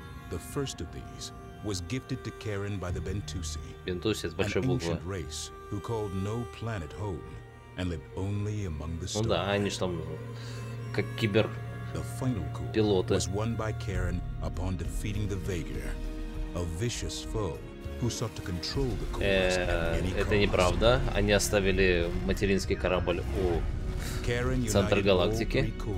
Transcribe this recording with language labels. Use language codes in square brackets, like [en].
[en] The first of these was gifted to Karen by the Bentusi, an ancient race who called no planet home and lived only among the stars. [ru] Ну да, они же там как кибер. [en] The final core was won by Karen upon defeating the Vager, a vicious foe. [ru] Это неправда. Они оставили материнский корабль у центра галактики.